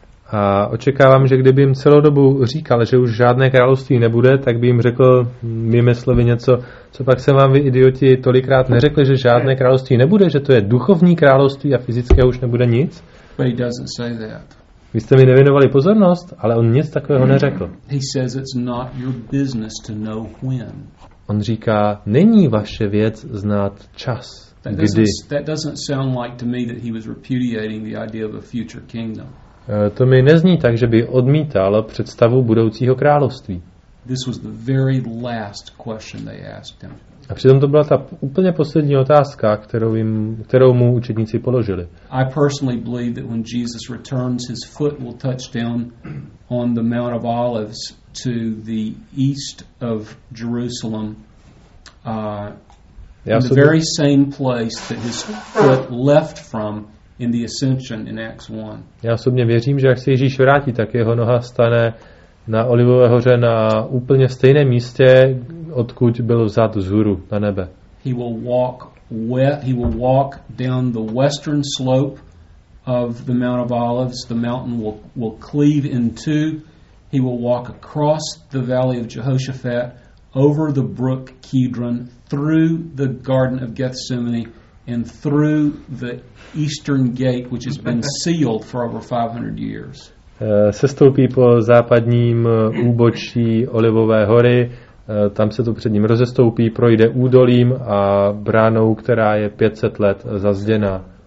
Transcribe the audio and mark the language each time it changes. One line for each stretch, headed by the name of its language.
Czech: A očekávám, že kdyby jim celou dobu říkal, že už žádné království nebude, tak by jim řekl mými slovy něco, co pak jsem vám vy idioti tolikrát neřekl, že žádné království nebude, že to je duchovní království a fyzické už nebude nic.
English: But he doesn't say that.
Czech: Vy jste mi nevěnovali pozornost, ale on nic takového neřekl.
English: He says it's not your business to know when.
Czech: On říká, není vaše věc znát čas, kdy.
English: That doesn't sound like to me that he was repudiating the idea of a future kingdom.
Czech: To mi nezní tak, že by odmítal představu budoucího království.
English: This was the very last question they asked him.
Czech: A přitom to byla ta úplně poslední otázka, kterou mu učedníci položili.
English: I personally believe that when Jesus returns, his foot will touch down on the Mount of Olives to the east of Jerusalem. In the very same place that his foot left from in the ascension in Acts 1.
Czech: Já osobně věřím, že až se Ježíš vrátí, tak jeho noha stane na Olivové hoře na úplně stejném místě, odkud byl vzat vzhůru na nebe.
English: He will walk down the western slope of the Mount of Olives. The mountain will cleave in two. He will walk across the valley of Jehoshaphat, over the brook Kidron, through the Garden of Gethsemane, and through the eastern gate, which has been sealed for over 500 years.
Czech: Sestoupí po západním úbočí Olivové hory, tam se to před ním rozestoupí, projde údolím a bránou, která je 500 let zazděna.